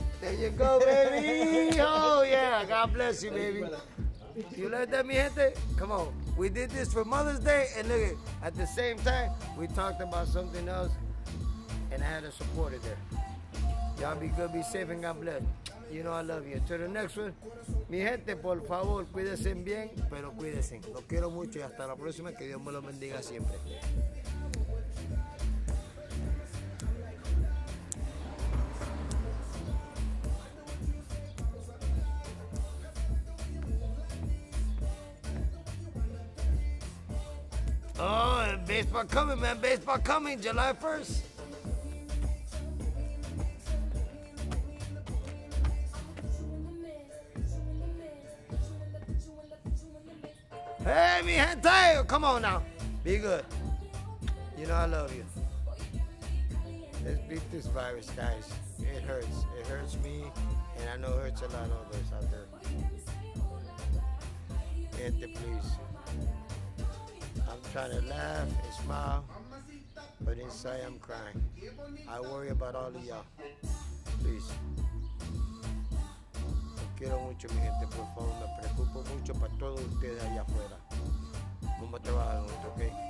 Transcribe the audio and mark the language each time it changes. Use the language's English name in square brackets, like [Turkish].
[English] There you go, baby. Oh, yeah. God bless you, baby. You learned that, [Spanish] mi gente? [English] Come on. We did this for Mother's Day, and look, at the same time, we talked about something else, and I had a supporter there. Y'all be good, be safe, and God bless. You know I love you. To the next one, [Spanish] mi gente, por favor, cuídense bien, pero cuídense. Los quiero mucho, y hasta la próxima, que Dios me lo bendiga siempre. [English] Oh, and baseball coming, man. Baseball coming, July 1st. Hey, [Spanish] mi gente, [English] come on now. Be good. You know I love you. Let's beat this virus, guys. It hurts. It hurts me, and I know it hurts a lot of others out there. Get the police. Trying to laugh and smile, but inside I'm crying. I worry about all of y'all. Please. [Spanish] Quiero mucho, mi gente, por favor. Me preocupo mucho para todos ustedes allá afuera. Vamos a trabajar juntos, ¿ok?